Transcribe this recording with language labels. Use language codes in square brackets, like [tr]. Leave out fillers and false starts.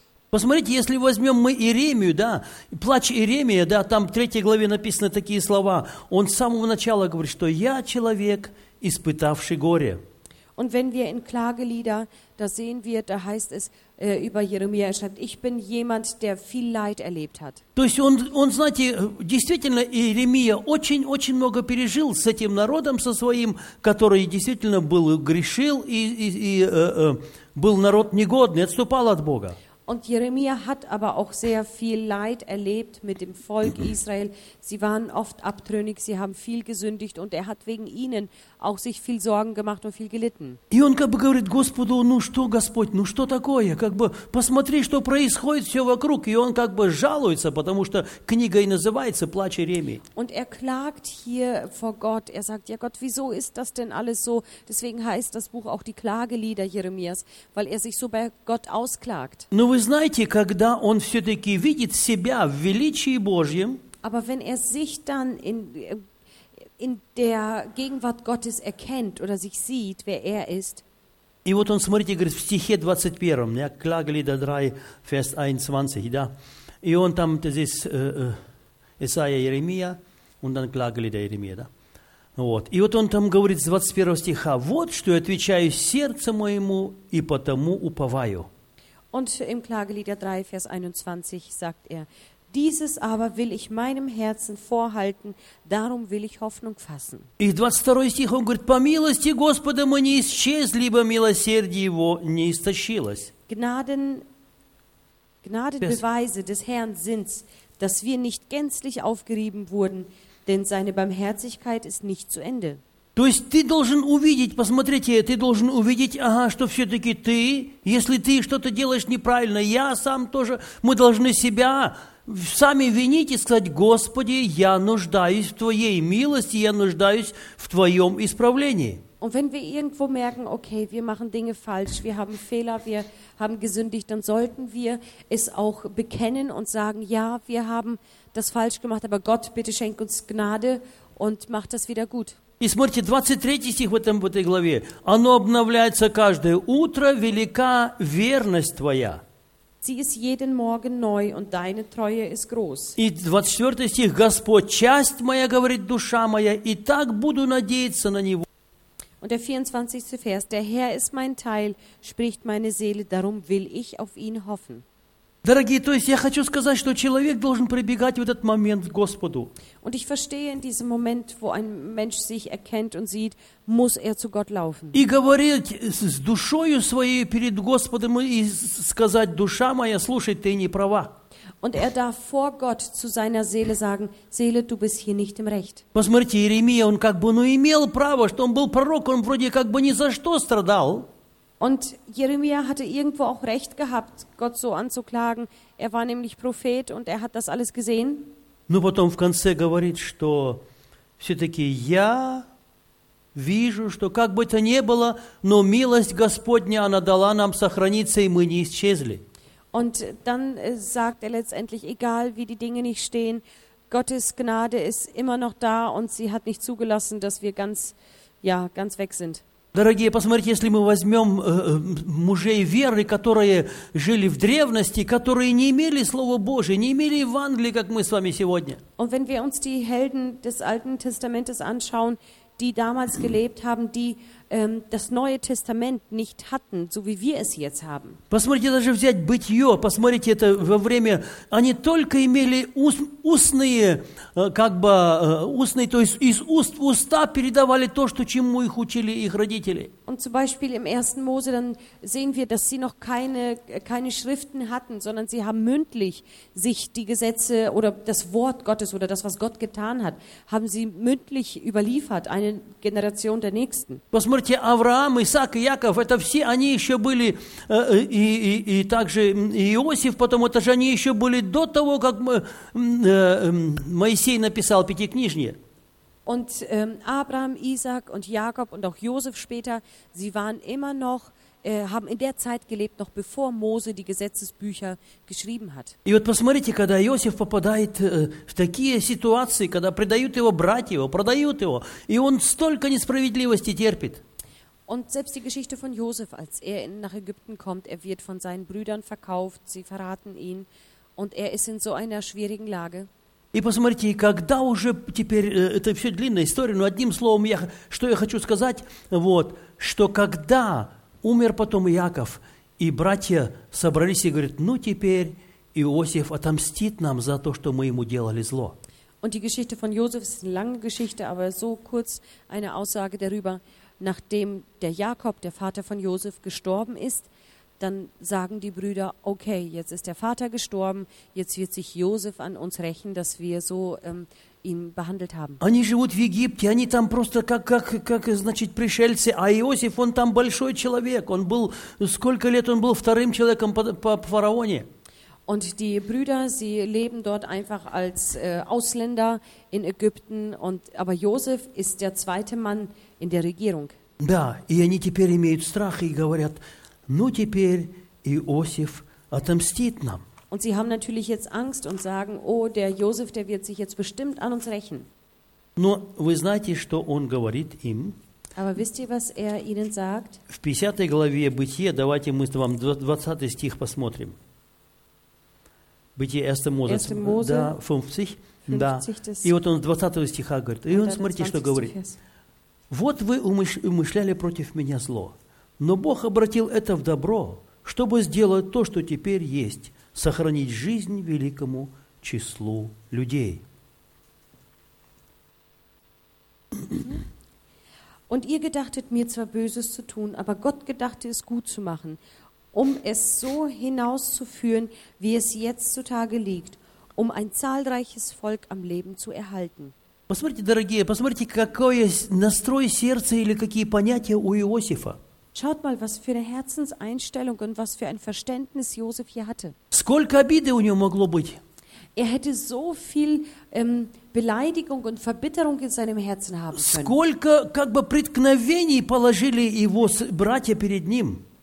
[ru] Посмотрите, если возьмем мы Иеремию, да, плач Иеремия, да, там в 3 главе написаны такие слова. Он с самого начала говорит, что я человек, испытавший горе. [de] Und wenn wir in Klagelieder, da sehen wir, da heißt es über Jeremia, er schreibt, ich bin jemand, der viel Leid erlebt hat. [ru] То есть он, знаете, действительно, Иеремия очень-очень много пережил с этим народом, со своим, который действительно был, грешил и был народ негодный, отступал от Бога. [de] Und Jeremia hat aber auch sehr viel Leid erlebt mit dem Volk Israel. Sie waren oft abtrünnig, sie haben viel gesündigt und er hat wegen ihnen auch sich viel Sorgen gemacht und viel gelitten. [ru] И он как бы говорит Господу, ну что, Господь, ну что такое? Как бы посмотри, что происходит все вокруг. И он как бы жалуется, потому что книга и называется «Плач Иеремии». [de] Und er klagt hier vor Gott. Er sagt, ja Gott, wieso ist das denn alles so? Deswegen heißt das Buch auch die Klagelieder Jeremias, weil er sich so bei Gott ausklagt. [ru] Ну вы знаете, когда он все-таки видит себя в величии Божьем, [de] aber wenn er sich dann in der Gegenwart Gottes erkennt oder sich sieht, wer er ist. [ru] И вот он, смотрите, говорит, в стихе 21, [de] ja, Klagelieder 3, Vers 21, [ru] да? И он там, [de] das ist [ru] Исаия, Иеремия, [de] und dann Klagelieder [ru] Иеремия, да? Вот. И вот он там говорит с 21 стиха, вот что я отвечаю сердцу моему и потому уповаю. [de] Und im Klagelieder 3, Vers 21 sagt er, dieses aber will ich meinem Herzen vorhalten, darum will ich Hoffnung fassen. [ru] И 22 стих он говорит, по милости Господа мы не исчезли, ибо милосердие его не истощилось. [de] Гнаденбеweise des Herrn sind, dass wir nicht gänzlich aufgerieben wurden, denn seine Barmherzigkeit ist nicht zu Ende. [ru] То есть ты должен увидеть, посмотрите, ты должен увидеть, ага, что все-таки ты, если ты что-то делаешь неправильно, я сам тоже, мы должны себя сами винить и сказать, Господи, я нуждаюсь в Твоей милости, я нуждаюсь в Твоем исправлении. [de] Und wenn wir irgendwo merken, okay, wir machen Dinge falsch, wir haben Fehler, wir haben gesündigt, dann sollten wir es auch bekennen und sagen, ja, wir haben das falsch gemacht, aber Gott, bitte schenk uns Gnade und mach das wieder gut. [ru] И смотрите, 23 стих в этой главе. Оно обновляется каждое утро, велика верность твоя. [de] Sie ist jeden Morgen neu und deine Treue ist groß. [ru] И 24 стих. Господь, часть моя, говорит душа моя, и так буду надеяться на Него. [de] Und der 24. Vers. Der Herr ist mein Teil, spricht meine Seele, darum will ich auf ihn hoffen. [ru] Дорогие, то есть я хочу сказать, что человек должен прибегать в этот момент к Господу. [de] Und ich verstehe in diesem Moment, wo ein Mensch sich erkennt und sieht, muss er zu Gott laufen. [ru] И говорить с душою своей перед Господом и сказать, душа моя, слушай, ты не права. [de] Und er darf vor Gott zu seiner Seele sagen, Seele, du bist hier nicht im Recht. [ru] Посмотрите, Иеремия, он как бы, ну, имел право, что он был пророк, он вроде как бы ни за что страдал. [de] Und Jeremia hatte irgendwo auch Recht gehabt, Gott so anzuklagen. Er war nämlich Prophet und er hat das alles gesehen. [ru] Но потом в конце говорит, что все-таки я вижу, что как бы то ни было, но милость Господня, она дала нам сохраниться, и мы не исчезли. [de] Und dann sagt er letztendlich, egal wie die Dinge nicht stehen, Gottes Gnade ist immer noch da und sie hat nicht zugelassen, dass wir ganz, ja, ganz weg sind. [ru] Дорогие, посмотрите, если мы возьмем мужей веры, которые жили в древности, которые не имели Слова Божия, не имели Евангелия, как мы с вами сегодня. [de] Und wenn wir uns die Helden des Alten Testamentes anschauen, die damals gelebt haben, die das Neue Testament nicht hatten, so wie wir es jetzt haben. [ru] Посмотрите, даже взять Бытие, посмотрите, это во время, они только имели устные, как бы устные, то есть из уст в уста передавали то, что чему их учили их родители. [de] Und zum Beispiel im 1. Mose, dann sehen wir, dass sie noch keine Schriften hatten, sondern sie haben mündlich sich die Gesetze oder das Wort Gottes oder das, was Gott getan hat, haben sie mündlich überliefert, eine Generation der nächsten. [ru] Посмотрите, Авраам, Исаак и Яков, это все они еще были, и также Иосиф, потому что же они еще были до того, как Моисей написал Пятикнижие. [de] Und Abraham, Isaac und Jakob und auch Josef später, sie waren immer noch, haben in der Zeit gelebt, noch bevor Mose die Gesetzesbücher geschrieben hat. [ru] И вот посмотрите, когда Иосиф попадает в такие ситуации, когда предают его братья, его продают его, и он столько несправедливости терпит. [de] Und selbst die Geschichte von Josef, als er nach Ägypten kommt, er wird von seinen Brüdern verkauft, sie verraten ihn und er ist in so einer schwierigen Lage. [ru] И посмотрите, когда уже теперь, это все длинная история, но одним словом, я, что я хочу сказать, вот, что когда умер потом Яков, и братья собрались и говорят, ну теперь Иосиф отомстит нам за то, что мы ему делали зло. [de] Und die Geschichte von Josef ist eine lange Geschichte, aber so kurz eine Aussage darüber, nachdem der Jakob, der Vater von Josef, gestorben ist, dann sagen die Brüder, okay, jetzt ist der Vater gestorben, jetzt wird sich Josef an uns rächen, dass wir so ihn behandelt haben. [ru] Они живут в Египте, они там просто как значит, пришельцы, а Иосиф, он там большой человек, он был, сколько лет он был вторым человеком по фараоне. [de] Und die Brüder, sie leben dort einfach als Ausländer in Ägypten, und, aber Josef ist der zweite Mann in der Regierung. [ru] Да, и они теперь имеют страх и говорят, ну теперь Иосиф отомстит нам. [de] Und sie haben natürlich jetzt Angst und sagen, oh, der Josef, der wird sich jetzt bestimmt an uns rächen. [ru] Но вы знаете, что он говорит им? [de] Aber wisst ihr, was er ihnen sagt? [ru] В 50 главе Бытие, давайте мы вам 20 стих посмотрим. Бытие 1 Мозе, да, 50, да. И вот он с 20 стиха говорит. И он, смотрите, что говорит. Вот вы умышляли против меня зло, но Бог обратил это в добро, чтобы сделать то, что теперь есть, сохранить жизнь великому числу людей. [de] Und ihr gedachtet mir zwar Böses zu tun, aber Gott gedachte es gut zu machen, um es so hinauszuführen, wie es jetzt zutage liegt, um ein zahlreiches Volk am Leben zu erhalten. [ru] Посмотрите, дорогие, посмотрите, какой настрой сердца или какие понятия у Иосифа. [de] Schaut mal, was für eine Herzenseinstellung und was für ein Verständnis Josef hier hatte. [ru] Сколько обиды у него могло быть? [de] Er hätte so viel Beleidigung und Verbitterung in seinem Herzen haben können. [ru] Сколько как бы преткновений положили его братья перед ним?